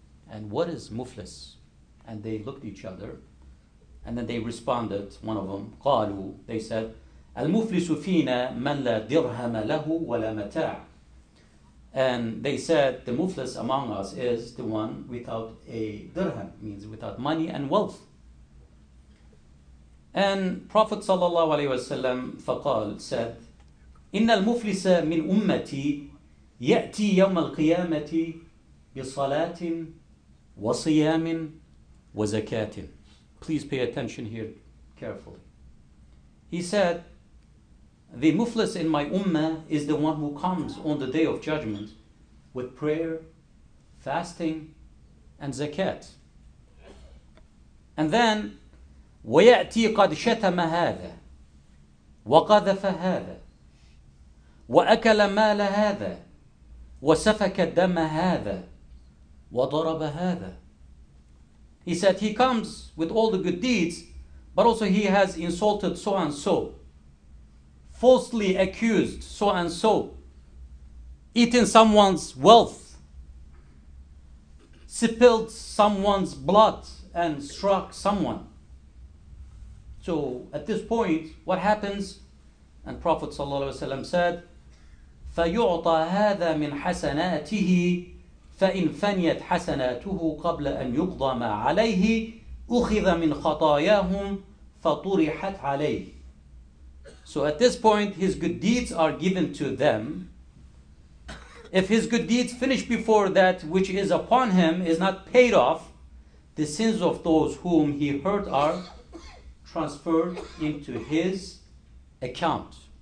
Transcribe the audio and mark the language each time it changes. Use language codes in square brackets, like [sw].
[en] And what is Muflis? And they looked at each other, and then they responded, one of them, [ar] قَالُوا, [en] they said, [ar] أَلْمُفْلِسُ فِينَا مَنْ لَا دِرْهَمَ لَهُ وَلَا مَتَاعُ. [en] And they said, the Muflis among us is the one without a dirham, means without money and wealth. And Prophet sallallahu alaihi wasallam faqal said, [ar] إِنَّ الْمُفْلِسَ مِنْ أُمَّتِي يَأْتِي يَوْمَ الْقِيَامَةِ بِصَلَاةٍ وَصِيَامٍ وَزَكَاةٍ. [en] Please pay attention here carefully. He said, the muflis in my ummah is the one who comes on the day of judgment with prayer, fasting, and zakat. And then, [ar] وَيَأْتِي قَدْ شَتَمَ هَذَا وَقَذَفَ هَذَا وَأَكَلَ مَالَ هَذَا وَسَفَكَ دَمَ هَذَا وَضَرَبَ هَذَا. [en] He said he comes with all the good deeds, but also he has insulted so-and-so, falsely accused so-and-so, eaten someone's wealth, spilled someone's blood, and struck someone. So at this point, what happens? And Prophet ﷺ said, [ar] فَيُعْطَى هَذَا مِنْ حَسَنَاتِهِ فَإِنْ فَنِيَتْ حَسَنَاتُهُ قَبْلَ أَنْ يُقْضَى مَا عَلَيْهِ أُخِذَ مِنْ خَطَايَاهُمْ فَطُرِحَتْ عَلَيْهِ. [en] So at this point, his good deeds are given to them. If his good deeds finish before that which is upon him is not paid off, the sins of those whom he hurt are transferred into his account.